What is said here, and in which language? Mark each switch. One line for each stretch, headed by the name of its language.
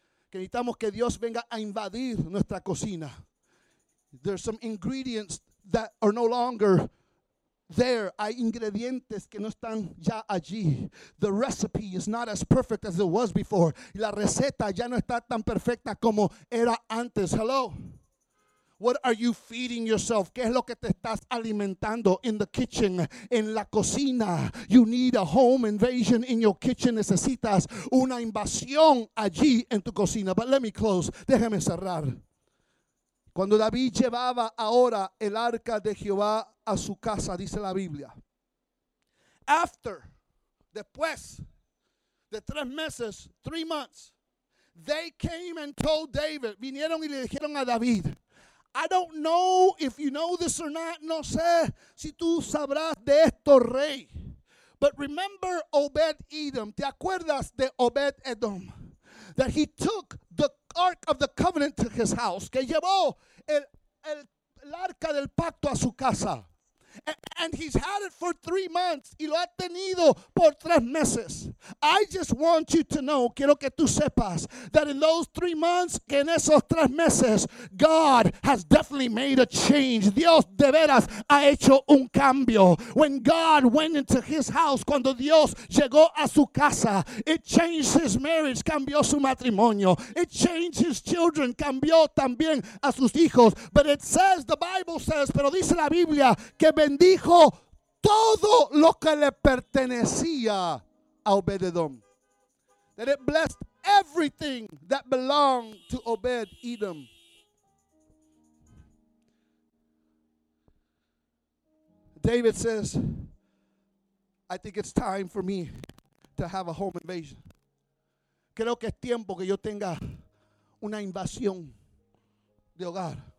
Spanish: Que necesitamos que Dios venga a invadir nuestra cocina.
English: There's some ingredients that are no longer there.
Spanish: Hay ingredientes que no están ya allí.
English: The recipe is not as perfect as it was before.
Spanish: La receta ya no está tan perfecta como era antes.
English: Hello? What are you feeding yourself?
Spanish: ¿Qué es lo que te estás alimentando?
English: In the kitchen,
Spanish: en la cocina.
English: You need a home invasion in your kitchen.
Spanish: Necesitas una invasión allí en tu cocina.
English: But let me close.
Spanish: Déjame cerrar. Cuando David llevaba ahora el arca de Jehová a su casa, dice la Biblia.
English: After,
Spanish: después de 3 meses,
English: 3 months, they came and told David.
Spanish: Vinieron y le dijeron a David.
English: I don't know if you know this or not.
Spanish: No sé si tú sabrás de esto, rey.
English: But remember Obed-Edom.
Spanish: ¿Te acuerdas de Obed-Edom?
English: That he took the Ark of the Covenant to his house.
Spanish: Que llevó el Arca del Pacto a su casa.
English: And he's had it for 3 months.
Spanish: Y lo ha tenido por 3 meses.
English: I just want you to know,
Spanish: quiero que tú sepas,
English: that in those 3 months,
Spanish: que en esos 3 meses,
English: God has definitely made a change.
Spanish: Dios de veras ha hecho un cambio.
English: When God went into his house,
Spanish: cuando Dios llegó a su casa,
English: it changed his marriage,
Spanish: cambió su matrimonio.
English: It changed his children,
Spanish: cambió también a sus hijos.
English: But it says, the Bible says,
Spanish: pero dice la Biblia, que bendijo todo lo que le pertenecía a Obed-Edom.
English: That it blessed everything that belonged to Obed-Edom. David says, I think it's time for me to have a home invasion.
Spanish: Creo que es tiempo que yo tenga una invasión de hogar.